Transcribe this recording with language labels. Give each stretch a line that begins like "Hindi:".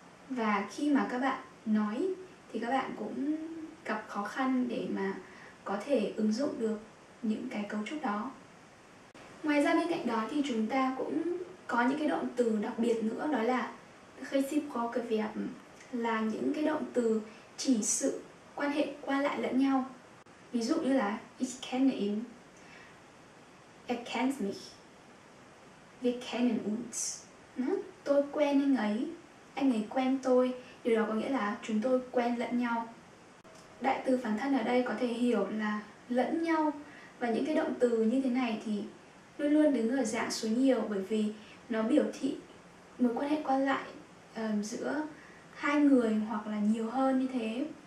Vietnamese: Và khi mà các bạn nói thì các bạn cũng gặp khó khăn để mà có thể ứng dụng được những cái cấu trúc đó. Ngoài ra bên cạnh đó thì chúng ta cũng có những cái động từ đặc biệt nữa, đó là khi ship có cái việc là những cái động từ chỉ sự quan hệ qua lại lẫn nhau. Ví dụ như là
German: ich kenne ihn, er kennt mich, wir kennen uns.
Vietnamese: Tôi quen anh ấy quen tôi. Điều đó có nghĩa là chúng tôi quen lẫn nhau. Đại từ phản thân ở đây có thể hiểu là lẫn nhau. Và những cái động từ như thế này thì luôn luôn đứng ở dạng số nhiều, bởi vì nó biểu thị mối quan hệ qua lại giữa hai người hoặc là nhiều hơn như thế.